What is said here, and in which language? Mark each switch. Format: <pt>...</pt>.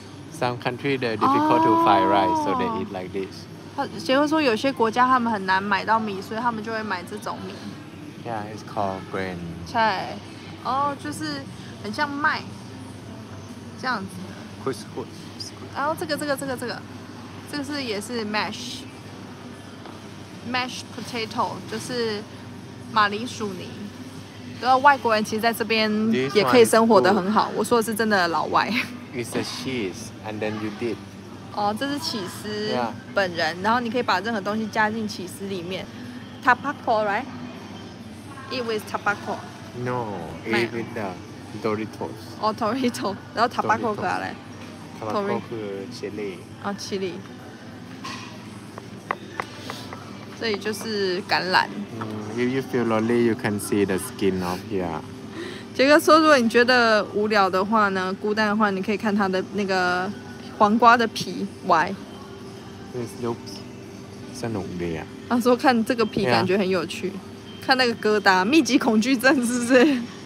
<en>Some countries they're difficult to find rice, so they eat like this.</en> <zh>杰克说有些国家他们很难买到米，所以他们就会买这种米。</zh> <en>Yeah, it's called grain.</en> <zh>对，哦，就是很像麦这样子的。</zh> <en>Couscous.</en> <zh>然后这个，这是也是 mash potato， 就是马铃薯泥。然后外国人其实在这边也可以生活得很好。我说的是真的老外。</zh> <en>It's a cheese, and then you dip.</en> <zh>哦，这是起司本人。然后你可以把任何东西加进起司里面。</zh> <en>Tapaco, right? Eat with tapaco. No, eat with the Doritos.</en> <zh>哦 ，Doritos， 然后 tapaco 可啥嘞？</zh> <en>tapaco</en> <zh>是 chili。哦 ，chili。这里就是橄榄。</zh> <en>If you feel lonely, you can see the skin of here.</en> <zh>杰克说，如果你觉得无聊的话呢，孤单的话，你可以看他的那个黄瓜的皮。</zh> <en>Why? This looks</en> <zh>很浓的呀。他说看这个皮感觉很有趣， yeah. 看那个疙瘩，密集恐惧症是不是？</zh>